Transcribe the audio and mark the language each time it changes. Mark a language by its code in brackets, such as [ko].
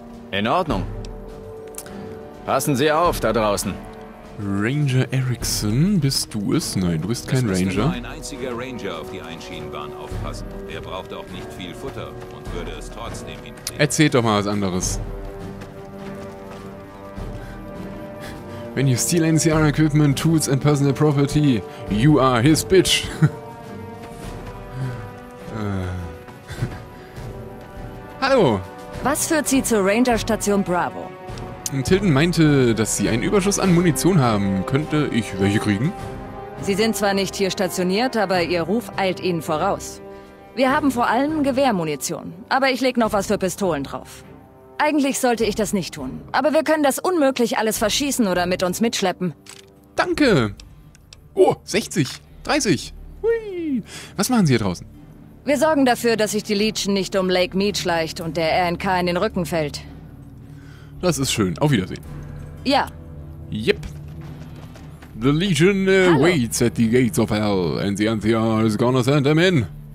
[de] In Ordnung. Passen Sie auf da draußen. Ranger Erickson, bist du es? Nein, du bist kein Ranger. Es müsste nur ein einziger Ranger auf die Einschienenbahn aufpassen. Er braucht auch nicht viel Futter und würde es trotzdem hinkriegen. Erzähl doch mal was anderes. [en] When you steal NCR equipment, tools and personal property, you are his bitch. [de] Hallo. Was führt Sie zur Ranger-Station Bravo? Tilden meinte, dass Sie einen Überschuss an Munition haben. Könnte ich welche kriegen? Sie sind zwar nicht hier stationiert, aber Ihr Ruf eilt Ihnen voraus. Wir haben vor allem Gewehrmunition, aber ich lege noch was für Pistolen drauf. Eigentlich sollte ich das nicht tun, aber wir können das unmöglich alles verschießen oder mit uns mitschleppen. Danke! Oh, 60, 30, hui! Was machen Sie hier draußen? Wir sorgen dafür, dass sich die Legion nicht um Lake Mead schleicht und der RNK in den Rücken fällt. Das ist schön. Auf Wiedersehen. Ja. [en] Yep. The Legion waits at the gates of hell, and the NCR is gonna send them in.